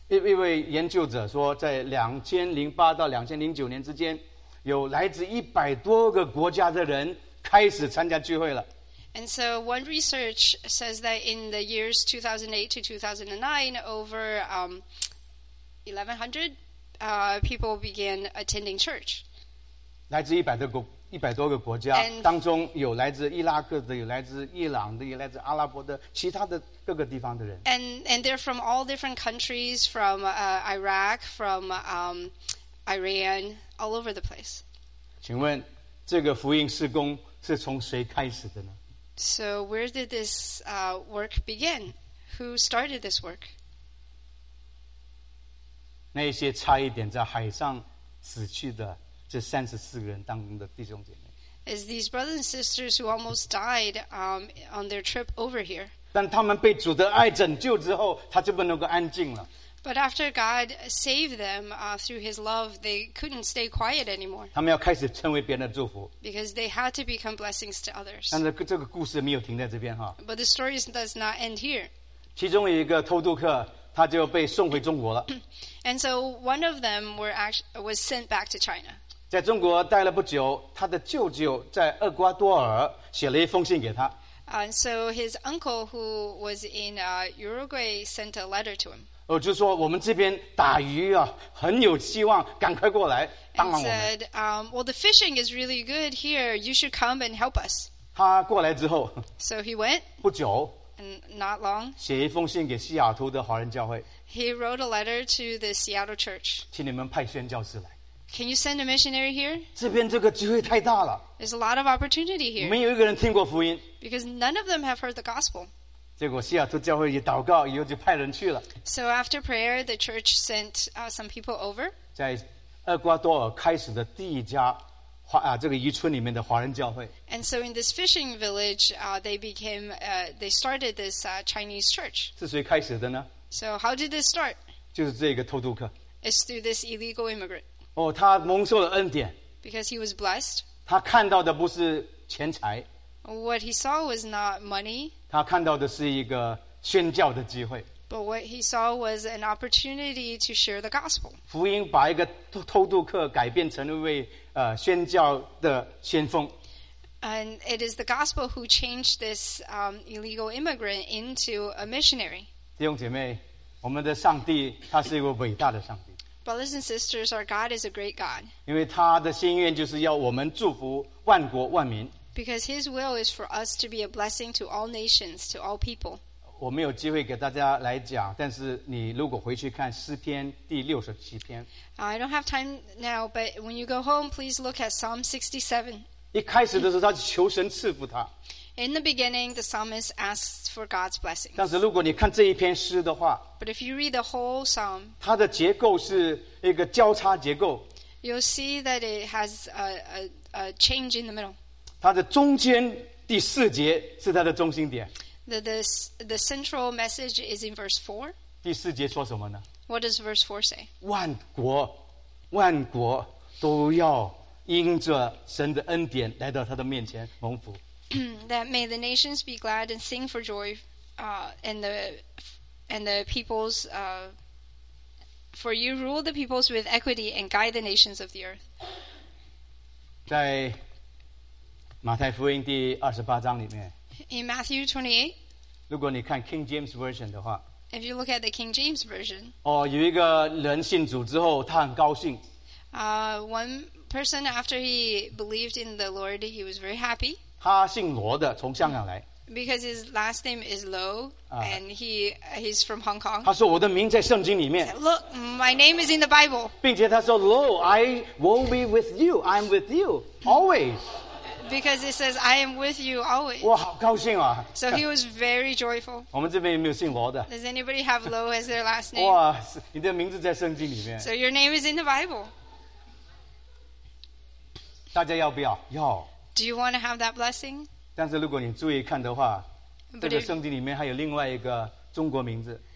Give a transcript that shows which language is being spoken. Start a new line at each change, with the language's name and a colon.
Chinese: 一位研究者说，在2008到2009年之间，有来自100多个国家的人开始参加聚会了。
English: And so one research says that in the years 2008 to 2009, over 1,100 people began attending church.
Chinese: 来自100多个国家，当中有来自伊拉克的，有来自伊朗的，有来自阿拉伯的，其他的各个地方的人。
English: And they're from all different countries, from Iraq, from Iran, all over the place.
Chinese: 请问这个福音事工是从谁开始的呢？
English: So where did this work begin? Who started this work?
Chinese: 那些差一点在海上死去的这34个人当中的弟兄姐妹。
English: Is these brothers and sisters who almost died on their trip over here.
Chinese: 但他们被主的爱拯救之后，他就不能够安静了。
English: But after God saved them through his love, they couldn't stay quiet anymore.
Chinese: 他们要开始成为别人的祝福。
English: Because they had to become blessings to others.
Chinese: 但是这个故事没有停在这边哈。
English: But the story does not end here.
Chinese: 其中有一个偷渡客他就被送回中国了。
English: And so one of them was sent back to China.
Chinese: 在中国待了不久，他的舅舅在厄瓜多尔写了一封信给他。
English: So his uncle who was in Uruguay sent a letter to him.
Chinese: 就说我们这边打鱼啊，很有希望，赶快过来帮忙我们。
English: And said, well, the fishing is really good here. You should come and help us.
Chinese: 他过来之后
English: ，So he went.
Chinese: 不久
English: ，And not long.
Chinese: 写一封信给西雅图的华人教会。
English: He wrote a letter to the Seattle Church.
Chinese: 请你们派宣教士来。
English: Can you send a missionary here?
Chinese: 这边这个机会太大了。
English: There's a lot of opportunity here.
Chinese: 没有一个人听过福音。
English: Because none of them have heard the gospel.
Chinese: 结果西雅图教会一祷告，以后就派人去了。
English: So after prayer, the church sent some people over.
Chinese: 在厄瓜多尔开始的第一家这个渔村里面的华人教会。
English: And so in this fishing village, they started this Chinese church.
Chinese: 是谁开始的呢？
English: So how did this start?
Chinese: 就是这个偷渡客。
English: It's through this illegal immigrant.
Chinese: 他蒙受了恩典。
English: Because he was blessed.
Chinese: 他看到的不是钱财。
English: What he saw was not money.
Chinese: 他看到的是一个宣教的机会。
English: But what he saw was an opportunity to share the gospel.
Chinese: 福音把一个偷渡客改变成了一位宣教的先锋。
English: And it is the gospel who changed this illegal immigrant into a missionary.
Chinese: 弟兄姐妹，我们的上帝他是一位伟大的上帝。
English: Brothers and sisters, our God is a great God.
Chinese: 因为他的心愿就是要我们祝福万国万民。
English: Because His will is for us to be a blessing to all nations, to all people.
Chinese: 我没有机会给大家来讲，但是你如果回去看诗篇第67篇。
English: I don't have time now, but when you go home, please look at Psalm 67.
Chinese: 一开始的时候，他是求神赐福他。
English: In the beginning, the psalmist asked for God's blessing.
Chinese: 但是如果你看这一篇诗的话
English: ，But if you read the whole psalm,
Chinese: 它的结构是一个交叉结构。
English: You'll see that it has a change in the middle.
Chinese: 它的中间第四节是它的中心点。
English: The central message is in verse 4.
Chinese: 第四节说什么呢
English: ？What does verse 4 say?
Chinese: 万国都要因着神的恩典来到他的面前蒙福。
English: That may the nations be glad and sing for joy, and the peoples, for you rule the peoples with equity and guide the nations of the earth.
Chinese: 在马太福音第二十八章里面
English: ，In Matthew 28,
Chinese: 如果你看 King James Version 的话
English: ，If you look at the King James Version,
Chinese: 哦，有一个人信主之后，他很高兴。
English: One person after he believed in the Lord, he was very happy.
Chinese: 他姓罗的，从香港来。
English: Because his last name is Low, and he's from Hong Kong.
Chinese: 他说我的名在圣经里面。
English: Look, my name is in the Bible.
Chinese: 并且他说
English: Low, I will be with you. I'm with you always. Because it says I am with you always.
Chinese: 哇，好高兴啊！
English: So he was very joyful.
Chinese: 我们这边有没有姓罗的？
English: Does anybody have Low as their last name?
Chinese: 哇，你的名字在圣经里面。
English: So your name is in the Bible.
Chinese: 大家要不要？要。
English: Do you want to have that blessing?
Chinese: 但是如果你注意看的话，这个圣经里面还有另外一个中国名字。